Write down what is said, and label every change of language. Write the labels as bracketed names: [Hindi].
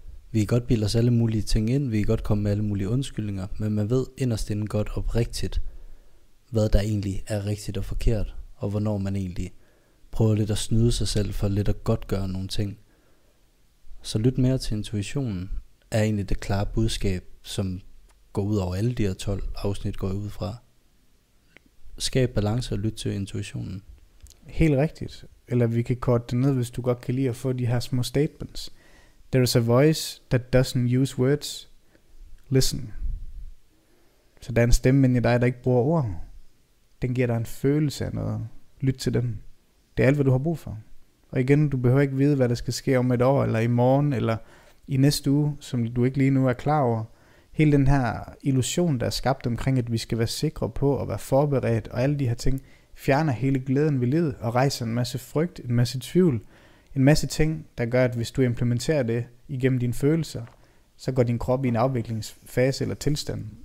[Danish] Vi kan godt bilde os alle mulige ting ind, vi kan godt komme med alle mulige undskyldninger, men man ved inderst inden godt oprigtigt, hvad der egentlig er rigtigt og forkert, og hvornår man egentlig prøver lidt at snyde sig selv for lidt at godt gøre nogle ting. Så lyt mere til intuitionen, er egentlig det klare budskab, som går ud over alle de her 12 afsnit, går ud fra. Skab balance og lyt til intuitionen. Helt rigtigt. Eller vi kan korte det ned, hvis du godt kan lide at få de her små statements. [English] There is a voice that doesn't use words. Listen. [Danish] Så der er en stemme inde i dig, der ikke bruger ord. Den giver dig en følelse af noget. Lyt til den. Det er alt, hvad du har brug for. Og igen, du behøver ikke vide, hvad der skal ske om et år, eller i morgen, eller i næste uge, som du ikke lige nu er klar over. Hele den her illusion, der er skabt omkring, at vi skal være sikre på at være forberedt, og alle de her ting, fjerner hele glæden ved livet, og rejser en masse frygt, en masse tvivl, en masse ting, der gør, at hvis du implementerer det igennem dine følelser, så går din krop i en afviklingsfase eller tilstand.